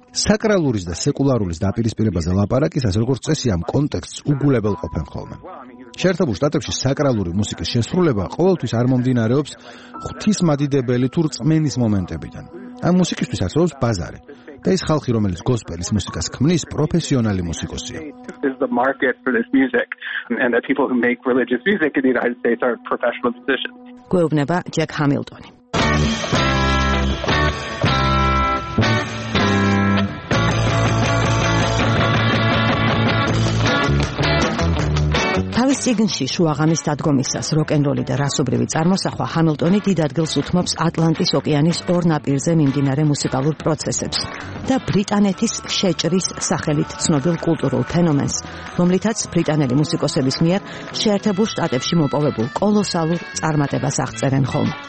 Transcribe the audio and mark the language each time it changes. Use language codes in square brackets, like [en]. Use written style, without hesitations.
[ka] საკრალურის და სეკულარულის დაპირისპირებაზე ლაპარაკისას, როგორც წესი, ამ კონტექსტს უგულებელ ყოფენ ხოლმე. შეერთებულ შტატებში საკრალური მუსიკის შესრულება ყოველთვის არ მომდინარეობს ღვთისმადიდებელი თუ რწმენის მომენტებიდან. ამ მუსიკისთვის არსებობს ბაზარი და ის ხალხი, რომელიც გოსპელის მუსიკას ქმნის, პროფესიონალი მუსიკოსია. [en] Is the market for this music and the people who make religious music in the United States are professional musicians. [ka] გვეუბნება ჯეკ ჰამილტონი. თავის წიგნში შუაღამის დადგომისას როკენროლი და რასობრივი წარმოსახვა ჰამილტონი დიდ ადგილს უთმობს ატლანტის ოკეანის ორ ნაპირზე მიმდინარე მუსიკალურ პროცესებს და ბრიტანეთის შეჭრის სახელით ცნობილ კულტურულ ფენომენს, რომლითაც ბრიტანელი მუსიკოსების მიერ შეერთებულ შტატებში მოპოვებულ კოლოსალურ წარმატებას აღწერენ ხოლმე.